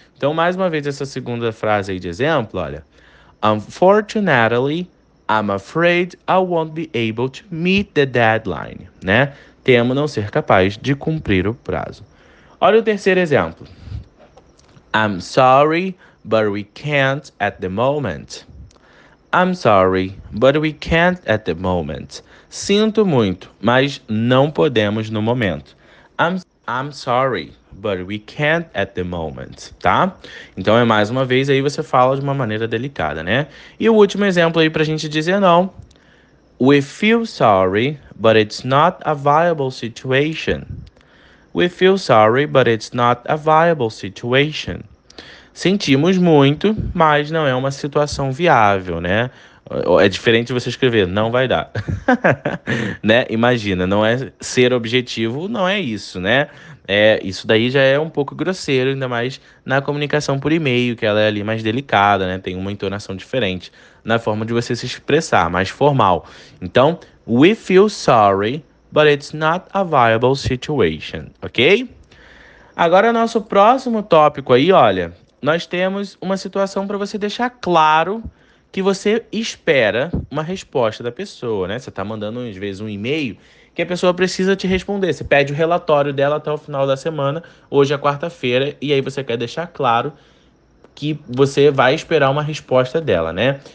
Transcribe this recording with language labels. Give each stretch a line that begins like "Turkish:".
Portuguese: Então, mais uma vez, essa segunda frase aí de exemplo, olha.
English: Unfortunately, I'm afraid I won't be able to meet the deadline, né?
Portuguese: Temo não ser capaz de cumprir o prazo. Olha o terceiro exemplo.
English: I'm sorry, but we can't at the moment. I'm sorry, but we can't at the moment.
Portuguese: Sinto muito, mas não podemos no momento.
English: I'm sorry, but we can't at the moment, tá?
Portuguese: Então é mais uma vez aí você fala de uma maneira delicada, né? E o último exemplo aí pra gente dizer não.
English: We feel sorry, but it's not a viable situation. We feel sorry, but it's not a viable situation.
Portuguese: Sentimos muito, mas não é uma situação viável, né? É diferente você escrever, não vai dar. Né? Imagina, não é ser objetivo, não é isso, né? É, isso daí já é um pouco grosseiro, ainda mais na comunicação por e-mail, que ela é ali mais delicada, né? Tem uma entonação diferente na forma de você se expressar, mais formal.
English: Então, we feel sorry, but it's not a viable situation, ok?
Portuguese: Agora, nosso próximo tópico aí, olha, nós temos uma situação para você deixar claro que você espera uma resposta da pessoa, né? Você tá mandando, às vezes, um e-mail que a pessoa precisa te responder. Você pede o relatório dela até o final da semana, hoje é quarta-feira, e aí você quer deixar claro que você vai esperar uma resposta dela, né?